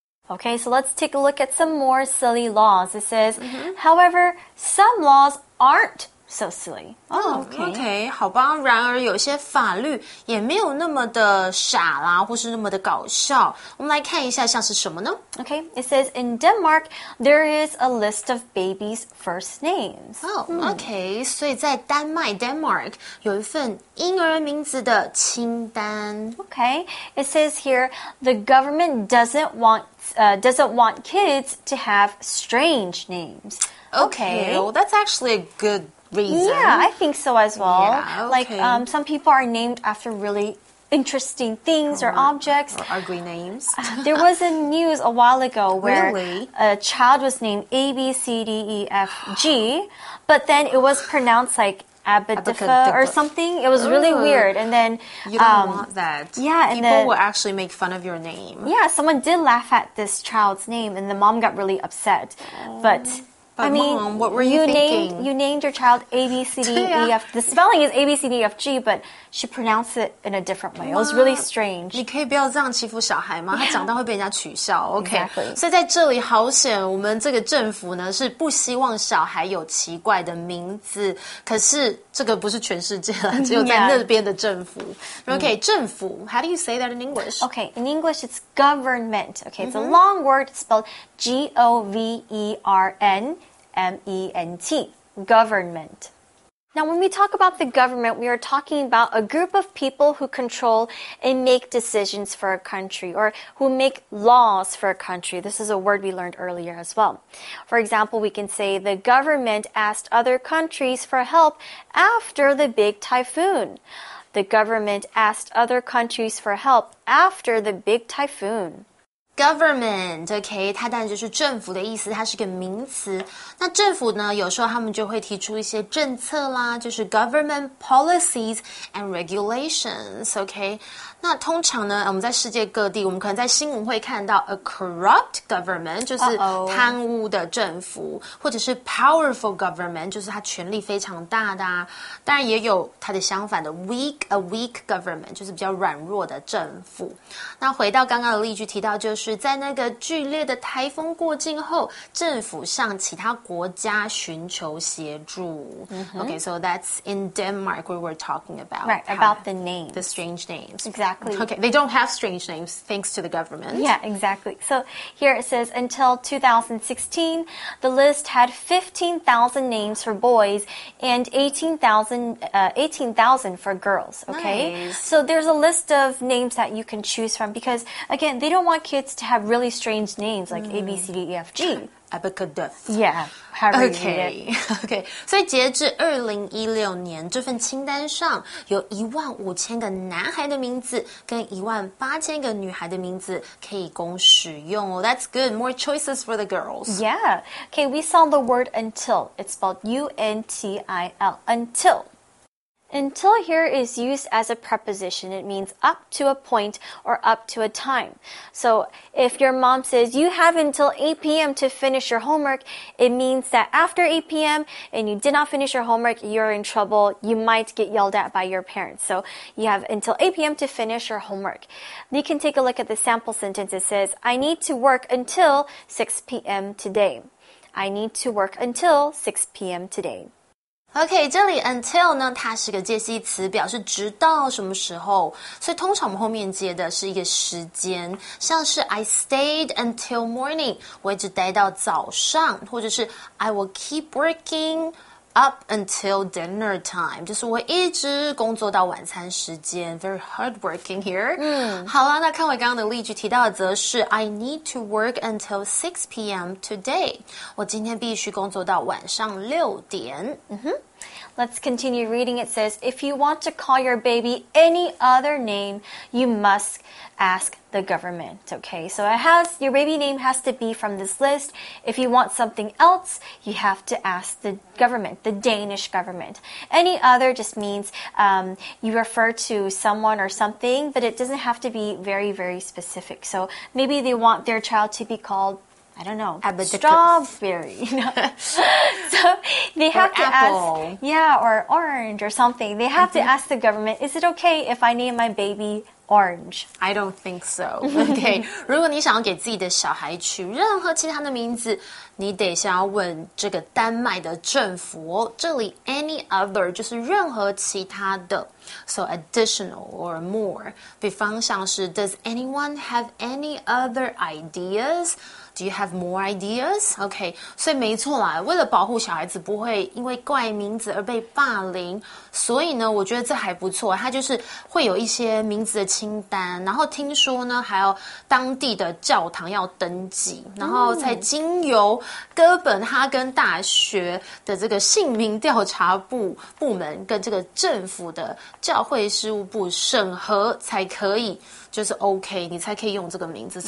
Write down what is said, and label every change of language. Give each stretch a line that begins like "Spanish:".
English: Okay, so let's take a look at some more silly laws. It says, mm-hmm. however, some laws aren't so silly. Oh, okay.
Chinese: Okay, 好吧，然而有些法律也没有那么的傻啦，或是那么的搞笑。我们来看一下像是什么呢?
English: Okay, it says, in Denmark, there is a list of babies' first names.
Chinese: Oh, okay, 所以在丹麦 Denmark, 有一份婴儿名字的清单。
English: Okay, it says here, the government doesn't want kids to have strange names. Okay, well, that's actually a good reason. Yeah, I think so as well. Yeah, okay. Like, some people are named after really interesting things or objects. Or ugly names. There was a news a while ago where really? A child was named A, B, C, D, E, F, G, but then it was pronounced like Abadifa or something. It was really weird. And then, you don't want that. Yeah, and people then, will actually make fun of your name. Yeah, someone did laugh at this child's name and the mom got really upset. But... But I mean, Mom, what were you thinking? You named your child A, B, C, D, E, F. The spelling is A, B, C, D, E, F, G, but she pronounced it in a different way. It was really strange.
Chinese: 你可以不要这样欺负小孩吗？他长大会被人家取笑。OK.
English: Exactly.
Chinese: 所以在这里好险我们这个政府呢是不希望小孩有奇怪的名字。可是这个不是全世界啦只有在那边的政府。
English: Yeah.
Chinese: OK, 政府。
English: How do you say that in English? OK, in English it's government. OK, it's a long word spelled G-O-V-E-R-N. G-O-V-E-R-N-M-E-N-T, government. Now, when we talk about the government, we are talking about a group of people who control and make decisions for a country or who make laws for a country. This is a word we learned earlier as well. For example, we can say the government asked other countries for help after the big typhoon. The government asked other countries for help after the big typhoon.
Chinese: Government, OK, 它当然就是政府的意思，它是个名词。那政府呢，有时候他们就会提出一些政策啦，就是
English: government policies and regulations,
Chinese: OK? 那通常呢，我们在世界各地，我们可能在新闻会看到
English: a corrupt government,
Chinese: 就是贪污的政府、或者是
English: powerful government,
Chinese: 就是它权力非常大的、当然也有它的相反的
English: weak, a weak government,
Chinese: 就是比较软弱的政府。那回到刚刚的例句提到，就是在那个剧烈的台风过境后，政府向其他国家寻求协助。 Mm-hmm.
English: Okay, so that's in Denmark we were talking about. Right, about the name. The strange names. Exactly. Okay, they don't have strange names thanks to the government. Yeah, exactly. So here it says, until 2016, the list had 15,000 names for boys and 18,000 for girls. Okay. Nice. So there's a list of names that you can choose from because, again, they don't want kids to have really strange names like A, B, C, D, E, F, G. Abacadus. Yeah. Okay. Okay.
Chinese: 所以截至2016年，这份清单上有15000个男孩的名字跟18000个女孩的名字可以供使用哦。
English: That's good. More choices for the girls. Yeah. Okay, we saw the word until. It's spelled U-N-T-I-L. Until. Until here is used as a preposition. It means up to a point or up to a time. So if your mom says you have until 8 p.m. to finish your homework, it means that after 8 p.m. and you did not finish your homework, you're in trouble. You might get yelled at by your parents. So you have until 8 p.m. to finish your homework. You can take a look at the sample sentence. It says, I need to work until 6 p.m. today. I need to work until 6 p.m. today.
Chinese: OK, 这里 until 呢它是个介系词表示直到什么时候。所以通常我们后面接的是一个时间。像是
English: I stayed until morning,
Chinese: 我一直待到早上。或者是
English: I will keep working up until dinner time,
Chinese: 就是我一直工作到晚餐时间。
English: Very hardworking here.、
Chinese: 好啦那看回刚刚的例句提到的则是
English: I need to work until 6 p.m. today.
Chinese: 我今天必须工作到晚上六点。
English: Let's continue reading. It says, if you want to call your baby any other name, you must ask the government. Okay, so your baby name has to be from this list. If you want something else, you have to ask the government, the Danish government. Any other just means, you refer to someone or something, but it doesn't have to be very, very specific. So maybe they want their child to be called, I don't know, strawberry. So they have to ask, yeah, or orange or something. They have to ask the government, is it okay if I name my baby orange? I don't think so.
Chinese: Okay, 如果你想要给自己的小孩取任何其他的名字，你得先要问这个丹麦的政府哦。这里 any other 就是任何其他的。
English: So additional or more.
Chinese: 比方像是
English: does anyone have any other ideas? Do you have more ideas?
Chinese: Okay, 所以没错啦，为了保护小孩子不会因为怪名字而被霸凌，所以呢，我觉得这还不错，它就是会有一些名字的清单，然后听说呢，还有当地的教堂要登记，然后才经由哥本哈根大学的这个姓名调查部门跟这个政府的教会事务部审核才可以就是 OK, 你才可以用这个名字。